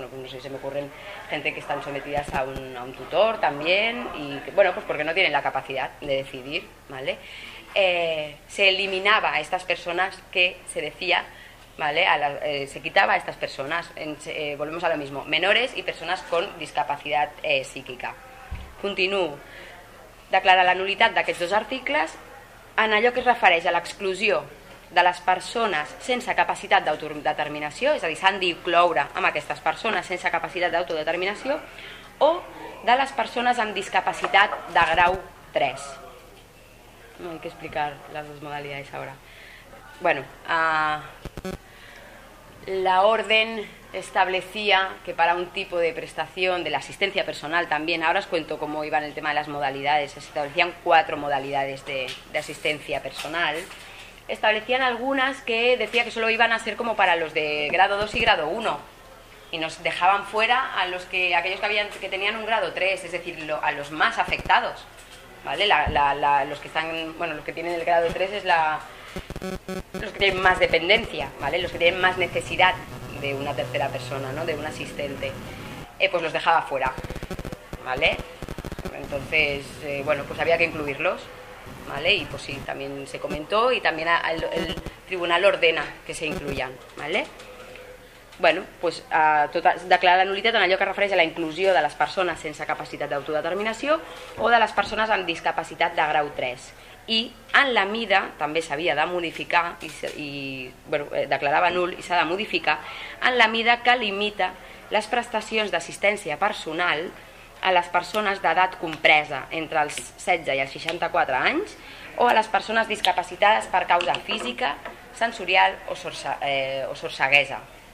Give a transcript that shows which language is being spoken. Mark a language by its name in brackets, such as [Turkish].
[Spanish] Bueno, pues no sé, se me ocurren gente que están sometidas a un tutor también y que, bueno, pues porque no tienen la capacidad de decidir, ¿vale? Se eliminaba a estas personas que se decía, ¿vale? Se quitaba a estas personas, volvemos a lo mismo, menores y personas con discapacidad psíquica. Continúo. [Catalan] Declara la nulitat d'aquests dos articles en allò que es refereix a l'exclusió de les persones sense capacitat d'autodeterminació, és a dir, s'han d'incloure amb aquestes persones sense capacitat d'autodeterminació, o de les persones amb discapacitat de grau 3. [Spanish] No hay que explicar las dos modalidades ahora. Bueno, la orden establecía que para un tipo de prestación de la asistencia personal también, ahora os cuento cómo iba en el tema de las modalidades, se establecían cuatro modalidades de asistencia personal. Establecían algunas que decía que solo iban a ser como para los de grado 2 y grado 1 y nos dejaban fuera a los que aquellos que habían que tenían un grado 3, es decir, a los más afectados, ¿vale? Los que están, bueno, los que tienen el grado 3 es los que tienen más dependencia, ¿vale? Los que tienen más necesidad de una tercera persona, ¿no? De un asistente. Pues los dejaba fuera, ¿vale? Entonces, bueno, pues había que incluirlos. ¿Vale? Y pues sí, también se comentó y también el tribunal ordena que se incluyan, ¿vale? Bueno, pues [Catalan] declara la nulitat en allò que refereix a la inclusió de les persones sense capacitat d'autodeterminació o de les persones amb discapacitat de grau 3. I en la mida també s'havia de modificar declarava nul i s'ha de modificar en la mida que limita les prestacions d'assistència personal a les persones d'edat compresa entre els 16 i els 64 anys o a les persones discapacitades per causa física, sensorial o sorceguesa.